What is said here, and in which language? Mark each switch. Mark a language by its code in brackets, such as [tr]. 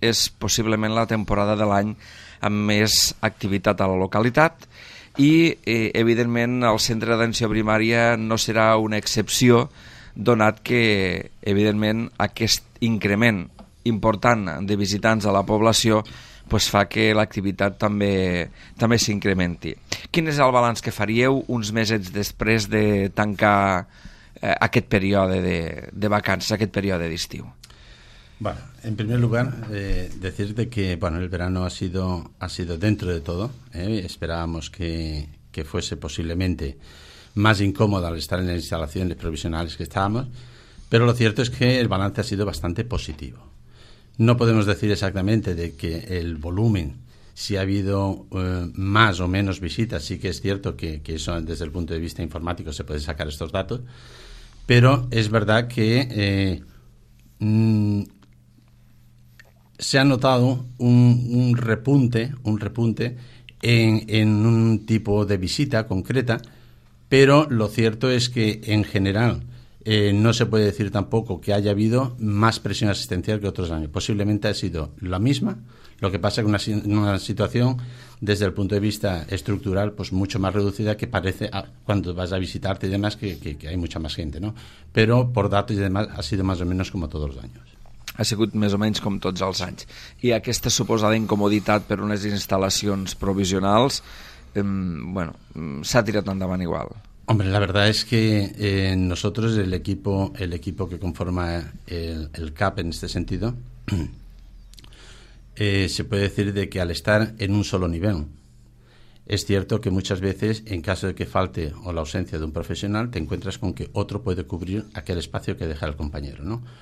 [ca] És possiblement la temporada de l'any amb més activitat a la localitat i, evidentment, el Centre d'Atenció Primària no serà una excepció, donat que, evidentment, aquest increment important de visitants a la població pues fa que l'activitat també s'incrementi. Quin és el balanç que faríeu uns mesets després de tancar aquest període de vacances, aquest període d'estiu? [es] Bueno, en primer lugar, decirte que bueno, el verano ha sido dentro de todo. Esperábamos que fuese posiblemente más incómoda al estar en las instalaciones provisionales que estábamos, pero lo cierto es que el balance ha sido bastante positivo. No podemos decir exactamente de que el volumen, si ha habido más o menos visitas, sí que es cierto que eso desde el punto de vista informático se puede sacar estos datos, pero es verdad que se ha notado un repunte en un tipo de visita concreta. Pero lo cierto es que, en general, no se puede decir tampoco que haya habido más presión asistencial que otros años. Posiblemente ha sido la misma, lo que pasa es que una situación, desde el punto de vista estructural, pues mucho más reducida que parece cuando vas a visitarte y demás, que hay mucha más gente, ¿no? Pero, por datos y demás, ha sido más o menos como todos los años. [ca] Ha sigut més o menys com tots els anys. I aquesta suposada incomoditat per unes instal·lacions provisionals, bueno, [es] se ha tirado tan daban igual. Hombre, la verdad es que nosotros, el equipo que conforma el CAP en este sentido, se puede decir de que al estar en un solo nivel, es cierto que muchas veces, en caso de que falte o la ausencia de un profesional, te encuentras con que otro puede cubrir aquel espacio que deja el compañero, ¿no?